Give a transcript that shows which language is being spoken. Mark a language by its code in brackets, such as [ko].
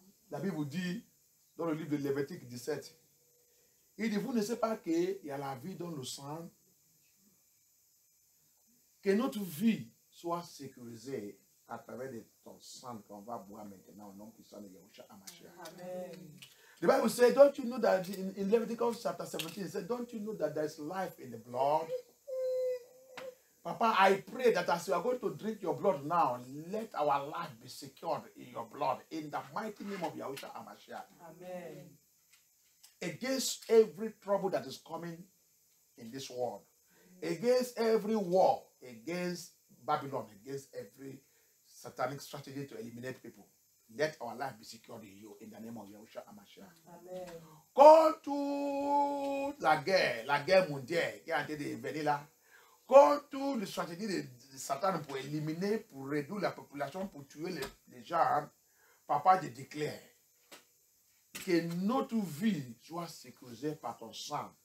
[fr] La Bible vous dit, dans le livre de Lévitique 17, il dit, vous ne savez pas qu'il y a la vie dans le sang, que notre vie soit sécurisée à travers ton sang qu'on va boire maintenant au nom puissant de Yahushua Hamashiach. Amen. [en] The Bible says, don't you know that in Leviticus chapter 17, it says, don't you know that there is life in the blood? Papa, I pray that as you are going to drink your blood now, let our life be secured in your blood, in the mighty name of Yahushua Hamashiach. Amen. Against every trouble that is coming in this world, against every war, against Babylon, against every satanic strategy to eliminate people, let our life be secured in you, in the name of Yahushua Hamashiach. Amen. [fr] Contre la guerre mondiale qui a été venue là, contre les stratégies de Satan pour éliminer, pour réduire la population, pour tuer les gens, papa, je déclare que notre vie soit sécurisée par ton sang.